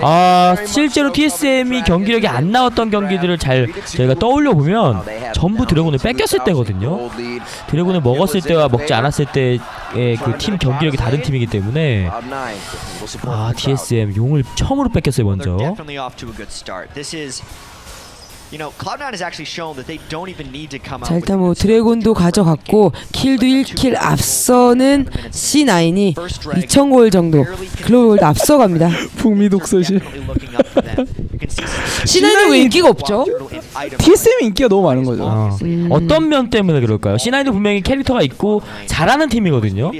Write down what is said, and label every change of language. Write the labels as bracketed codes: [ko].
[ko] 아, 실제로 TSM이 경기력이 안 나왔던 경기들을 잘 저희가 떠올려보면 전부 드래곤을 뺏겼을 때거든요. 드래곤을 먹었을 때와 먹지 않았을 때의 그 팀 경기력이 다른 팀이기 때문에 아, TSM 용을 처음으로 뺏겼어요, 먼저. [en] This is, you know, Cloud9 has actually shown that they don't even need to come up. [ko] 자, 일단 뭐 드래곤도 가져갔고 킬도 1킬 앞서는 C9이 2000골 정도 글로벌도 앞서갑니다. 북미 독서실. C9이 왜 인기가 없죠? TSM이 인기가 너무 많은 거죠. 아, 어떤 면 때문에 그럴까요? C9도 분명히 캐릭터가 있고 잘하는 팀이거든요.